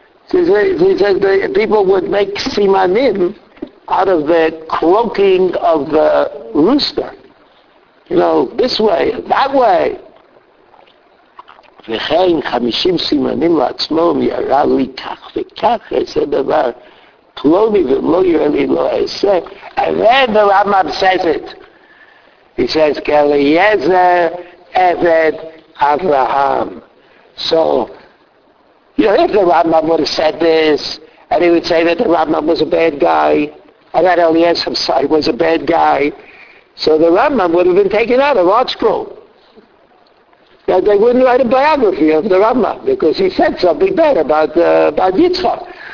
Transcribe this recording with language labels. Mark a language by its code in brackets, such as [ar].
[en] He says people would make simanim out of the croaking of the rooster. You know, this way, that way. [he] וכן חמישים סימנים לעצמו יראה לי כך וכך איזה דבר פלוני ולא יראה לי לא אעשה [en] and then the Rambam says it. He says, [he] כאליעזר עבד אברהם. [en] So, you know, if the Rambam would have said this and he would say that the Rambam was a bad guy and that Eliezer, I'm sorry, was a bad guy, so the Rambam would have been taken out of art school. That they wouldn't write a biography of the Rambam because he said something bad about Yitzchak.